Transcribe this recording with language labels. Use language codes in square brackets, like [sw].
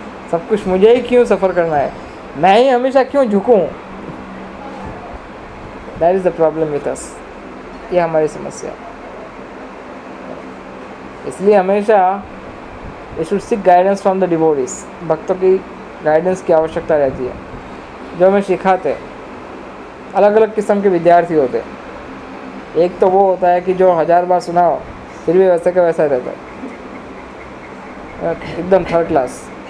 [hi] सब कुछ मुझे ही क्यों सफ़र करना है, मैं ही हमेशा क्यों झुकूँ? [en] That is the problem with us. [hi] ये हमारी समस्या। इसलिए हमेशा [en] we should seek guidance from the devotees. [hi] भक्तों की guidance की आवश्यकता रहती है, जो हमें सिखाते। अलग अलग किस्म के विद्यार्थी होते, एक तो वो होता है कि जो हज़ार बार सुनाओ फिर भी वैसे का वैसा रहता है, एकदम थर्ड क्लास।